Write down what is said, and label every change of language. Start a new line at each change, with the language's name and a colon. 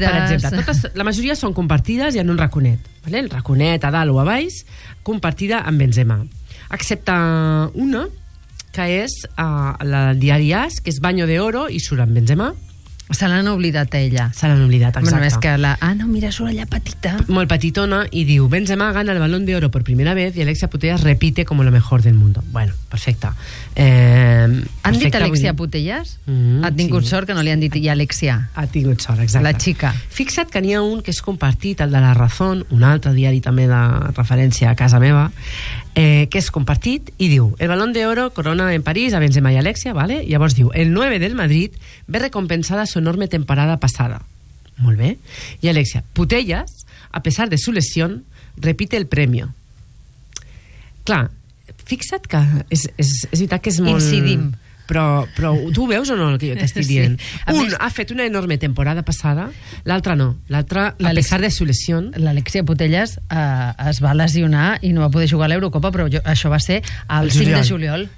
Catalan: Mira, doncs, per exemple, la majoria són compartides i en un raconet. Vale? El raconet a dalt o a baix, compartida amb Benzema. Excepte una, que és la del diari As, que és Baño de Oro i surt amb Benzema. Se l'han oblidat a ella. Se l'han oblidat, exacte. Bueno, que no, mira, surt allà petita. Molt petitona, i diu:
Spanish: Benzema gana el Balón de Oro per primera vez i Alexia Putellas repite como lo mejor del mundo.
Catalan: Bueno, perfecte. Han dit Alexia Putellas? Ha tingut sort que no li han dit i Alexia. Ha tingut sort, exacte. La xica. Fixa't que n'hi ha un que és compartit, el de La Razón, un altre diari també de referència a casa meva, que és compartit i diu:
Spanish: el Balón de Oro corona en París a Benzema i Alexia,
Catalan: vale? Llavors diu:
Spanish: el 9 del Madrid ve recompensada su enorme temporada pasada.
Catalan: Molt bé.
Spanish: I Alexia: Putellas, a pesar de su lesión, repite el premio.
Catalan: Clar, fixa't que és veritat que és molt... Incidim. Però tu veus o no el que jo t'estic dient? Sí. Un ha fet una enorme temporada passada, l'altre no.
Spanish: L'altre, a pesar de su lesión...
Catalan: L'Alexia Putellas es va lesionar i no va poder jugar a l'Eurocopa, però això va ser el 5 de juliol.